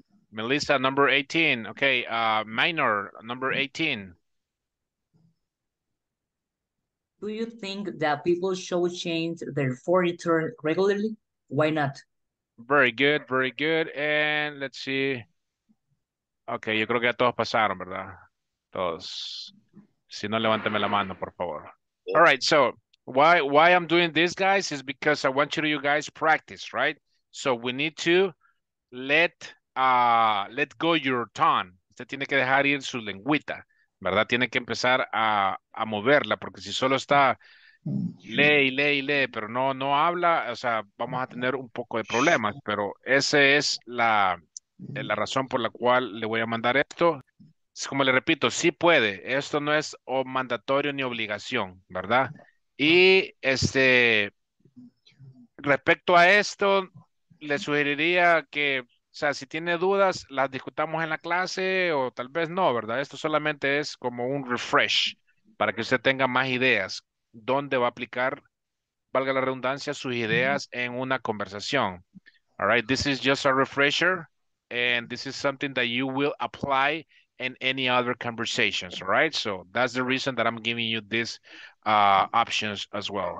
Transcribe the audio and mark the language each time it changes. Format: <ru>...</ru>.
<en>Melissa, number 18. Okay, Minor, number 18. Do you think that people should change their furniture regularly? Why not? Very good, very good. And let's see.</en> <es>Okay, yo creo que a todos pasaron, ¿verdad? Todos. Si no, levánteme la mano, por favor.</es> <en>All right, so why I'm doing this, guys, is because I want you guys practice, right? So we need to let go your tongue.</en> <es>Usted tiene que dejar ir su lengüita, ¿verdad? Tiene que empezar a moverla, porque si solo está lee, pero no habla, o sea, vamos a tener un poco de problemas. Pero esa es la razón por la cual le voy a mandar esto. Como le repito, sí puede. Esto no es o mandatorio ni obligación, ¿verdad? Y respecto a esto, le sugeriría que, o sea, si tiene dudas, las discutamos en la clase o tal vez no, ¿verdad? Esto solamente es como un refresh para que usted tenga más ideas. ¿Dónde va a aplicar, valga la redundancia, sus ideas en una conversación?</es> <en>All right, this is just a refresher and this is something that you will apply and any other conversations, right? So that's the reason that I'm giving you these options as well.</en>